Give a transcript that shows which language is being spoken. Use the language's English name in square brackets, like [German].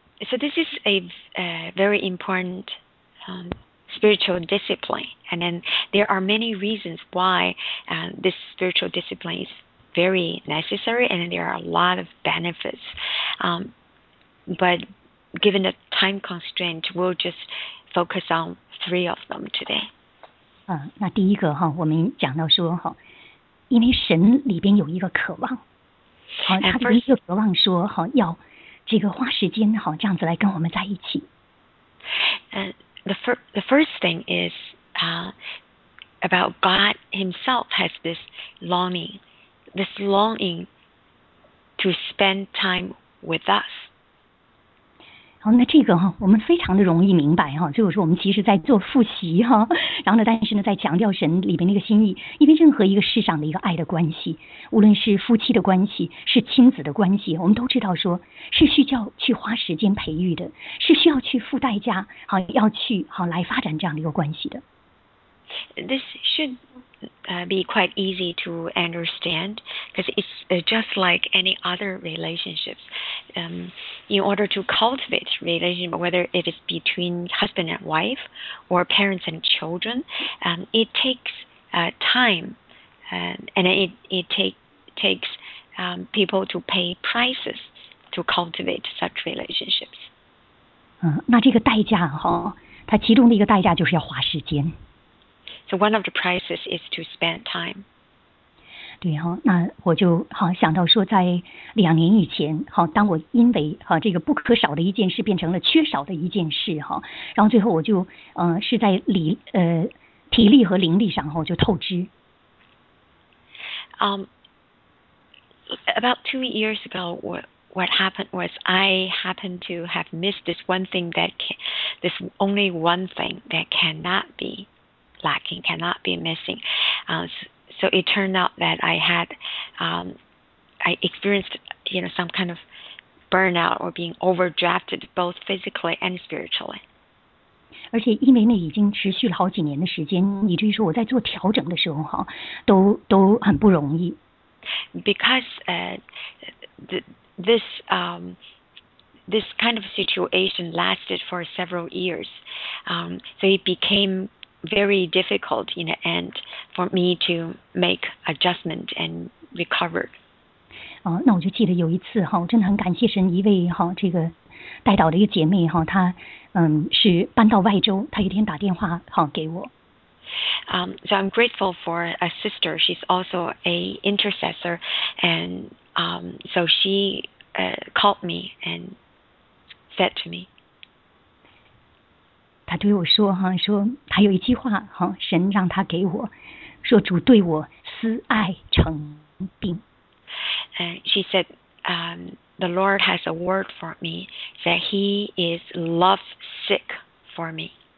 [English] So this is a very important spiritual discipline, and then there are many reasons why this spiritual discipline is very necessary, and there are a lot of benefits. But given the time constraint, we'll just focus on three of them today. [Chinese] 那第一个哈，我们讲到说哈，因为神里边有一个渴望，他的一个渴望说哈要。这个花时间好，这样子来跟我们在一起。 [English] The first thing is about God Himself has this longing to spend time with us. [Chinese] 好，那这个哈，我们非常的容易明白哈。所以我说，我们其实在做复习哈，然后呢，但是呢，在强调神里边那个心意，因为任何一个世上的一个爱的关系。无论是夫妻的关系，是亲子的关系，我们都知道说，是需要去花时间培育的，是需要去付代价，好要去好来发展这样的一个关系的。 [English] This should be quite easy to understand, because it's just like any other relationships. In order to cultivate relationship, whether it is between husband and wife, or parents and children, it takes time, and it takes people to pay prices to cultivate such relationships. [Chinese] 那这个代价哈，它其中的一个代价就是要花时间。 [English] So one of the prices is to spend time. [Chinese] 对哈，那我就好想到说，在两年以前，好，当我因为哈这个不可少的一件事变成了缺少的一件事哈，然后最后我就是在体力和灵力上哈就透支。 [English] About 2 years ago, what happened was I happened to have missed this only one thing that cannot be lacking, cannot be missing. So it turned out that I had, I experienced, you know, some kind of burnout or being overdrafted both physically and spiritually. [Chinese] 而且因为那已经持续了好几年的时间，以至于说我在做调整的时候哈，都很不容易。 [English] Because this kind of situation lasted for several years, so it became very difficult in the end for me to make adjustment and recover. [Chinese] 那我就记得有一次哈，真的很感谢神，一位哈这个带导的一个姐妹哈，她是搬到外州，她一天打电话哈给我。 [English] So I'm grateful for a sister. She's also a intercessor, and so she called me and said to me. [Chinese] 她对我说哈，说她有一句话哈，神让她给我，说主对我思爱成病。 [English] She said, the Lord has a word for me that He is love sick for me.